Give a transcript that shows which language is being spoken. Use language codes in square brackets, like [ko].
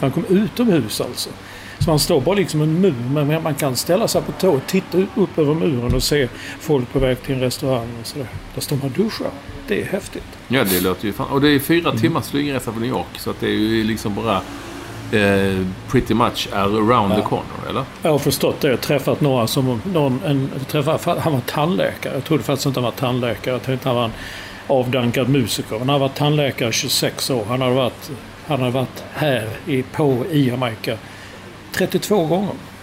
[sv] Man kommer utomhus alltså. Så man står bara liksom en mur, men man kan ställa sig på tå och titta upp över muren och se folk på väg till en restaurang och sådär. Där står man och duschar. Det är häftigt. Ja, det låter ju fan. Och det är 4 timmars flygresa från New York, så att det är ju liksom bara... [en] pretty much around the corner, eller? [sv] Jag har förstått det. Jag har träffat några som... han var tandläkare. Jag trodde faktiskt inte han var tandläkare. Jag tänkte att han var en avdankad musiker. Han har varit tandläkare 26 år. Han har varit här i Jamaica 32 gånger.